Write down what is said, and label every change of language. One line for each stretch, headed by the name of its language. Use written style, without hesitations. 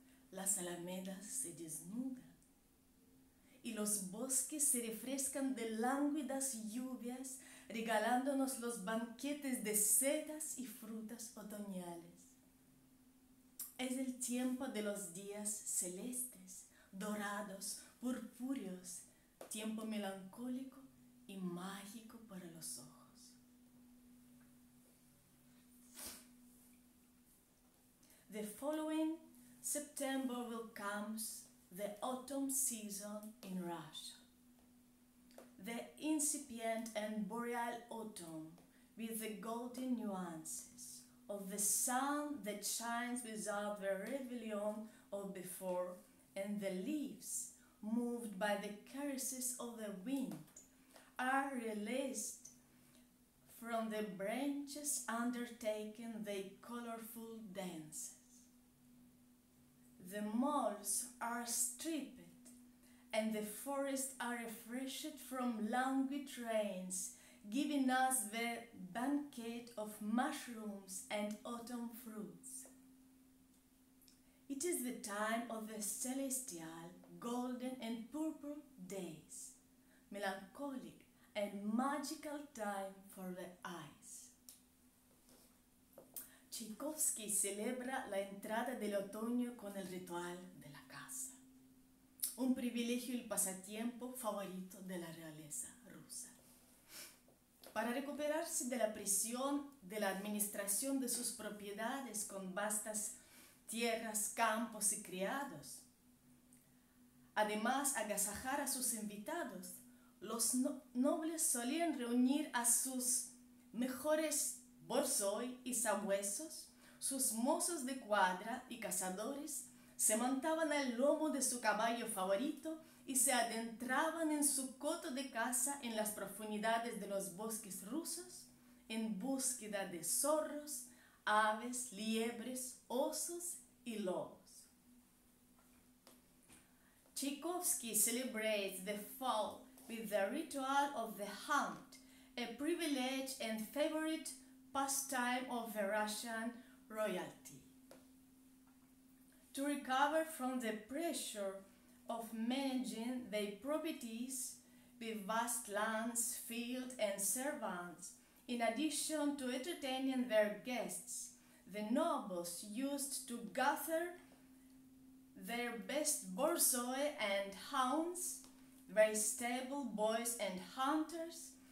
Spanish: Las alamedas se desnudan. Y los bosques se refrescan de lánguidas lluvias, regalándonos los banquetes de setas y frutas otoñales. Es el tiempo de los días celestes, dorados, purpúreos, tiempo melancólico y mágico para los ojos.
English: The following September will come the autumn season in Russia. The incipient and boreal autumn with the golden nuances of the sun that shines without the rebellion of before, and the leaves, moved by the caresses of the wind, are released from the branches undertaking their colorful dance. The moths are stripped, and the forests are refreshed from languid rains, giving us the banquet of mushrooms and autumn fruits. It is the time of the celestial, golden and purple days, melancholic and magical time for the eyes.
Spanish: Tchaikovsky celebra la entrada del otoño con el ritual de la casa, un privilegio y el pasatiempo favorito de la realeza rusa. Para recuperarse de la presión de la administración de sus propiedades con vastas tierras, campos y criados, además agasajar a sus invitados, los nobles solían reunir a sus mejores borsoi y sabuesos, sus mozos de cuadra y cazadores, se montaban al lomo de su caballo favorito y se adentraban en su coto de caza en las profundidades de los bosques rusos, en búsqueda de zorros, aves, liebres, osos y lobos.
English: Tchaikovsky celebrates the fall with the ritual of the hunt, a privilege and favorite pastime of the Russian royalty. To recover from the pressure of managing their properties with vast lands, fields, and servants, in addition to entertaining their guests, the nobles used to gather their best borsoi and hounds, their stable boys and hunters.